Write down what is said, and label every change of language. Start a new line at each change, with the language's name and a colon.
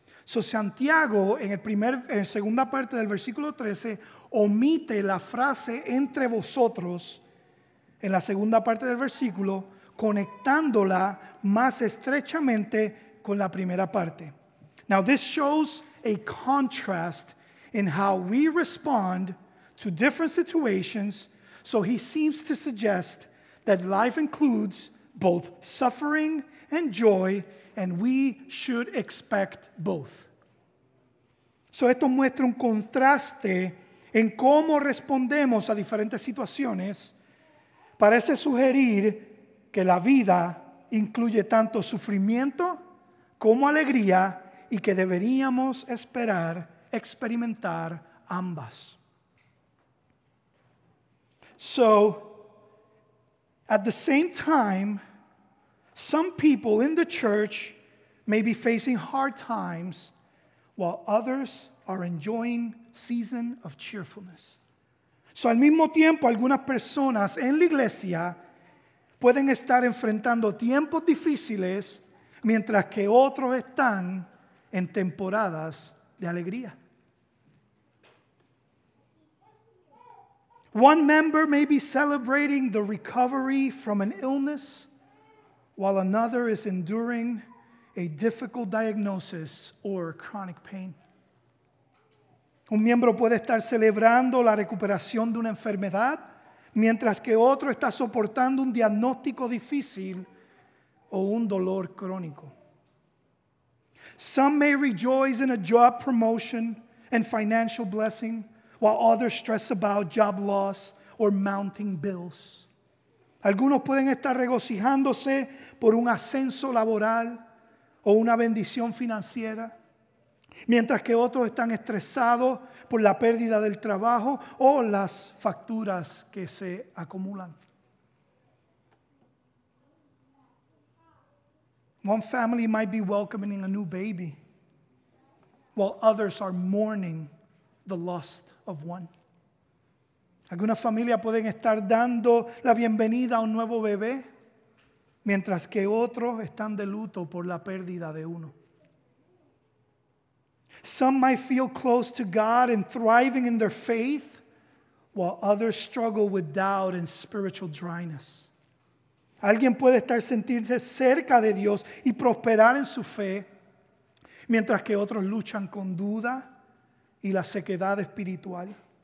Spanish: So Santiago, en segunda parte del versículo 13, omite la frase entre vosotros, en la segunda parte del versículo, conectándola más estrechamente con la primera parte.
English: Now this shows a contrast in how we respond to different situations, so he seems to suggest that life includes both suffering and joy, and we should expect both.
Spanish: So esto muestra un contraste en cómo respondemos a diferentes situaciones. Parece sugerir que la vida incluye tanto sufrimiento como alegría y que deberíamos esperar, experimentar ambas.
English: So, at the same time, some people in the church may be facing hard times while others are enjoying season of cheerfulness.
Spanish: So, al mismo tiempo, algunas personas en la iglesia pueden estar enfrentando tiempos difíciles mientras que otros están en temporadas de alegría.
English: One member may be celebrating the recovery from an illness while another is enduring a difficult diagnosis or chronic pain.
Spanish: Un miembro puede estar celebrando la recuperación de una enfermedad mientras que otro está soportando un diagnóstico difícil o un dolor crónico.
English: Some may rejoice in a job promotion and financial blessing, while others stress about job loss or mounting bills.
Spanish: Algunos pueden estar regocijándose por un ascenso laboral o una bendición financiera, mientras que otros están estresados por la pérdida del trabajo o las facturas que se acumulan.
English: One family might be welcoming a new baby, while others are mourning the loss of one.
Spanish: Algunas familias pueden estar dando la bienvenida a un nuevo bebé, mientras que otros están de luto por la pérdida de uno.
English: Some might feel close to God and thriving in their faith, while others struggle with doubt and spiritual dryness.
Spanish: Alguien puede estar sentirse cerca de Dios y prosperar en su fe, mientras que otros luchan con duda y la sequedad espiritual.